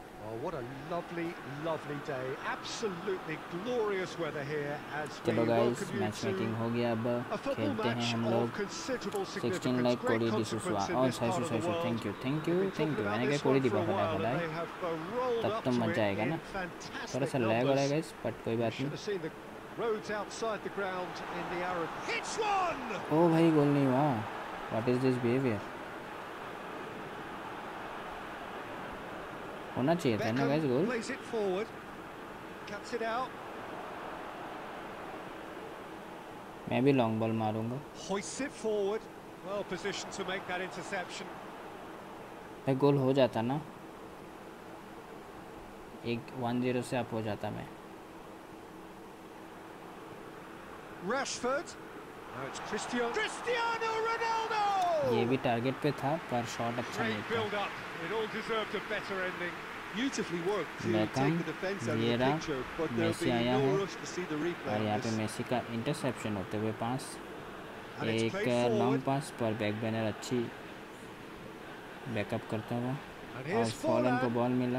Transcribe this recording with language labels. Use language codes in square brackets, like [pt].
[en] Oh what a lovely lovely day, absolutely glorious weather here as we. [hi] चलो guys match making हो गया, अब खेलते हैं हम लोग। 16 लाइक कोडी डिसुसवा, ओ sorry sorry sorry, thank you thank you thank you, मैंने क्या कोडी दिया था भाई, तब तो मजा आएगा ना, थोड़ा सा लैग हो रहा है गाइस बट कोई बात नहीं। [en] Roads outside the ground in the Arab. Hits one! [hi] Oh, bhai, goal nahi hua. [en] What is this behavior? [hi] Hona chahiye tha na, guys, goal. [en] Plays it forward. Cuts it out. [hi] Main bhi long ball marunga. [en] Hoists it forward. Well positioned to make that interception. [hi] Bhai, goal ho jata na. Ek 1-0 se up ho jata main. [en] Rashford. Now it's Cristiano. Cristiano Ronaldo. [hi] ये भी target पे था पर shot अच्छा नहीं था। [en] It all deserved a better ending. Beautifully worked to take the defense out of the picture. But there'll be no rush to see the replay. [hi] यहाँ पे मेसी का इंटरसेप्शन होते हुए पास। एक लॉन्ग पास पर बैक बैनर अच्छी बैकअप करता हुआ और फॉलन को बॉल मिला।